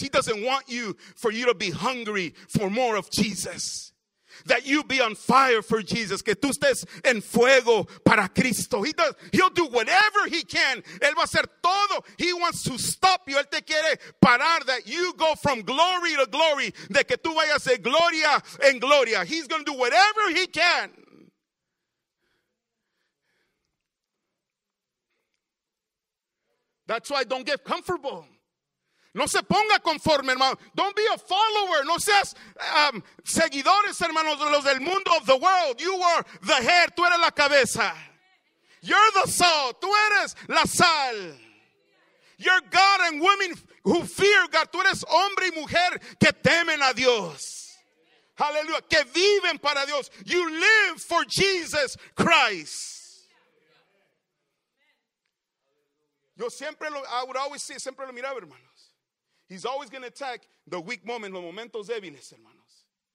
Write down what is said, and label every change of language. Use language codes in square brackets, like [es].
[en] He doesn't want you for you to be hungry for more of Jesus. That you be on fire for Jesus. [es] Que tú estés en fuego para Cristo. [en] He'll do whatever he can. [es] Él va a hacer todo. [en] He wants to stop you. [es] Él te quiere parar. [en] That you go from glory to glory. [es] De que tú vayas de gloria en gloria. [en] He's going to do whatever he can. That's why don't get comfortable. [es] No se ponga conforme, hermano. [en] Don't be a follower. [es] No seas seguidores, hermanos, de los del mundo, [en] of the world. You are the head. [es] Tú eres la cabeza. [en] You're the salt. [es] Tú eres la sal. [en] You're God and women who fear God. [es] Tú eres hombre y mujer que temen a Dios. [en] Hallelujah. [es] Que viven para Dios. [en] You live for Jesus Christ. [es] Yo siempre lo, [en] I would always see, [es] siempre lo miraba, hermanos. [en] He's always going to attack the weak moment, [es] los momentos débiles, hermanos.